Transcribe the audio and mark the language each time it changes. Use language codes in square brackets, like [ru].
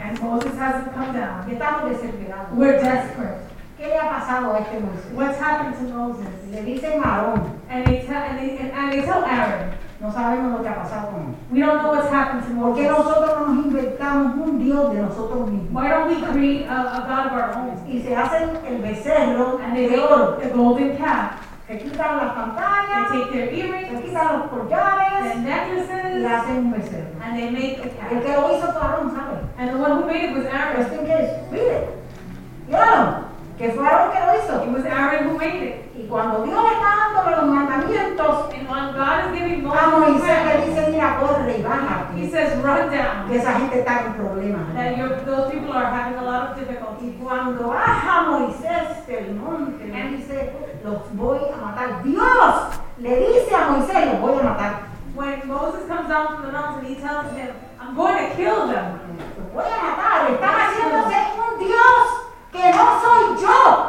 [en] And Moses hasn't come down. [es] Y estamos desesperados. [en] We're desperate. [es] ¿Qué le ha pasado a este Moisés? [en] What's happened to Moses? [es] Le dicen Aarón. [en] And they tell Aaron. [es] No sabemos lo que ha pasado con él. [en] We don't know what's happened to Moses. [es] Porque nosotros nos inventamos un Dios de nosotros mismos. [en] Why don't we create a God of our own? [es] Y se hacen el becerro de oro. [en] The golden calf. [es] Se quitan las pantallas. [en] They take their earrings. [es] Se quitan los collares. [en] The necklaces. [es] Y hacen un becerro. [en] And they make a calf. [es] El que lo hizo fue Aarón, ¿sabes? [en] And the one who made it was Aaron. [es] Pues en qué es. Mire. Míralo. Que fue Aarón que lo hizo. [en] It was Aaron who made it. [es] Y cuando Dios está dando los mandamientos, a Moisés le dice, mira, corre y bájate. [en] He says, run down. [es] Que esa gente está en problemas. [en] That those people are having a lot of difficulty. [es] Y cuando baja Moisés del monte, le dice, los voy a matar. Dios le dice a Moisés, los voy a matar. [en] When Moses comes down from the mountain, he tells him, I'm going to kill them. [es] Los voy a matar. Están haciéndose un Dios que no soy yo.